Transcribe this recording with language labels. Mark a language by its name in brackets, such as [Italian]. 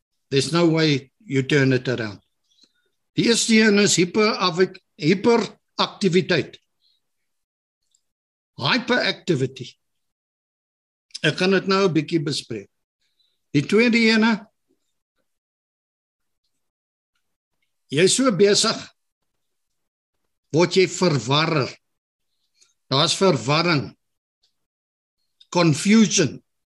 [English] There's no way you turn it around. [Afrikaans] Die eerste een is hyperactiviteit. [English] Hyperactivity. [Afrikaans] Ek gaan dit nou 'n bietjie bespreek. Die tweede een, jy is so besig, word jy verwarrer. Daar is verwarring. Confusion.